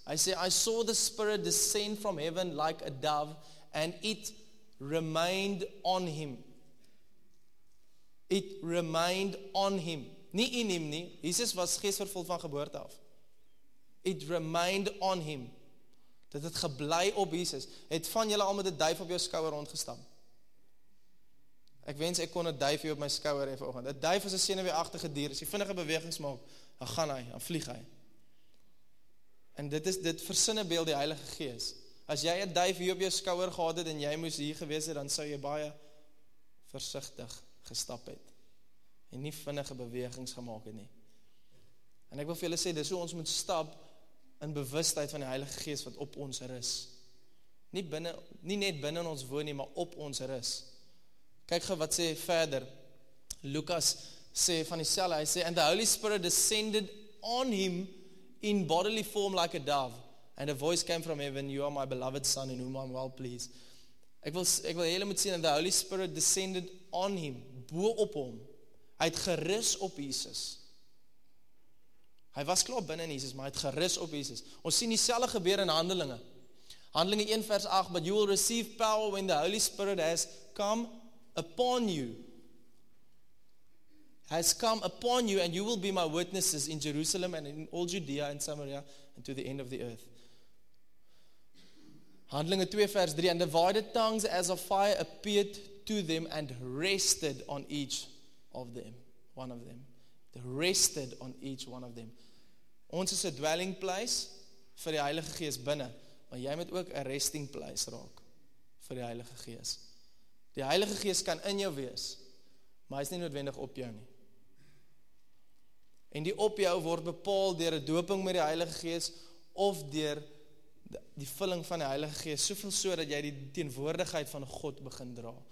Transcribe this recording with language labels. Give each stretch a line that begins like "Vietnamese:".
Afrikaans: Hy sê,
English: I saw the Spirit descend from heaven like a dove, and it remained on him. It remained on him.
Afrikaans: Nie in hem nie. Jesus was geesvervuld van geboorte af.
English: It remained on him.
Afrikaans: Dit het geblei op Jesus. Het van julle al met die duif op jou skouer rondgestam. Ek wens ek kon die duif hier op my skouer hê vanoggend. Die duif is 'n senuweeagtige dier. As jy vinnige bewegings maak, dan gaan hy, dan vlieg hy. En dit versinne beeld die Heilige Gees. As jy 'n duif hier op jou skouer gehad het en jy moes hier gewees het, dan sou jy baie versigtig gestap het. En nie vinnige bewegings gemaakt het nie. En ek wil vir julle sê, dis hoe ons moet stap in bewustheid van die Heilige Gees wat op ons rus. Nie net binnen ons woon nie, maar op ons rus. Kyk gou wat sê verder. Lukas sê van dieselfde, hy sê,
English: and the Holy Spirit descended on him in bodily form like a dove, and a voice came from heaven, you are my beloved son, in whom I'm well pleased.
Afrikaans: Ek wil hele moet sien,
English: that the Holy Spirit descended on him,
Afrikaans: bo op hom, hy het gerus op Jesus. Hy was klaar binne in Jesus, maar hy het gerus op Jesus. Ons sien dieselfde gebeur in Handelinge. Handelinge 1 vers 8,
English: but you will receive power when the Holy Spirit has come upon you. Has come upon you and you will be my witnesses in Jerusalem and in all Judea and Samaria and to the end of the earth.
Afrikaans: Handelinge 2 vers 3,
English: and divided tongues as of fire appeared to them and rested on each of them, one of them. They rested on each one of them.
Afrikaans: Ons is 'n
English: dwelling place
Afrikaans: vir die Heilige Gees binne, maar jy moet ook 'n
English: resting place
Afrikaans: raak vir die Heilige Gees. Die Heilige Gees kan in jou wees, maar hy is nie noodwendig op jou nie. En die op jou word bepaal deur 'n doping met die Heilige Gees of deur die vulling van die Heilige Gees, soveel so dat jy die teenwoordigheid van God begin dra.